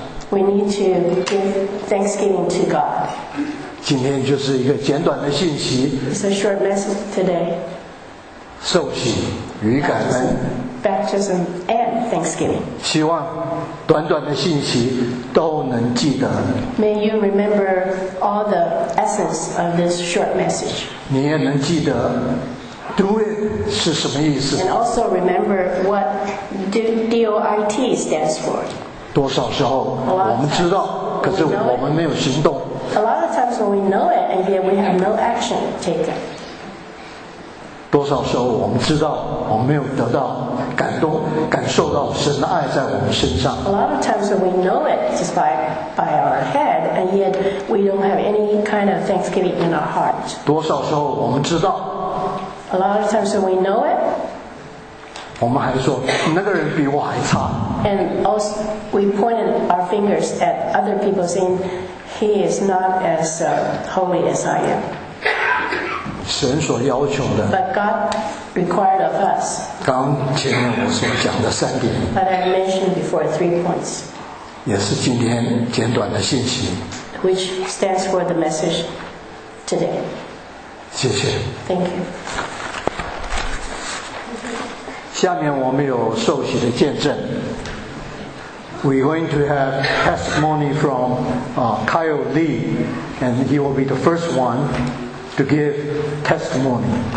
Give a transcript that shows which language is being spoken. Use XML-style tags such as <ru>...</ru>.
<en>We need to give thanksgiving to God</en> <zh>今天就是一个简短的信息</zh> <en>It's a short message today</en> <zh>受洗与感恩</zh> <en>Baptism and thanksgiving</en> <zh>希望短短的信息都能记得</zh> <en>May you remember all the essence of this short message</en> <zh>你也能记得 Do it 是什么意思</zh> <en>And also remember what D-O-I-T stands for</en> <zh>多少时候我们知道，可是我们没有行动。</zh> <en>A lot of times when we know it, and yet we have no action taken.</en> <zh>多少时候我们知道，我们没有得到感动，感受到神的爱在我们身上。</zh> <en>A lot of times when we know it just by our head, and yet we don't have any kind of thanksgiving in our heart.</en> <zh>多少时候我们知道</zh> <en>？A lot of times when we know it.</en> <zh>我们还说那个人比我还差。</zh> <en>And also we pointed our fingers at other people saying. He is not as holy as I am.</en> <zh>神所要求的。</zh> <en>But God required of us.</en> <zh>刚前面我所讲的三点。</zh> <en>But I mentioned before three points.</en> <zh>也是今天简短的信息。</zh> <en>Which stands for the message today.</en> <zh>谢谢。</zh> <en>Thank you.</en> <zh>下面我们有受洗的见证。</zh> <en>We're going to have testimony from Kyle Lee, and he will be the first one to give testimony.</en>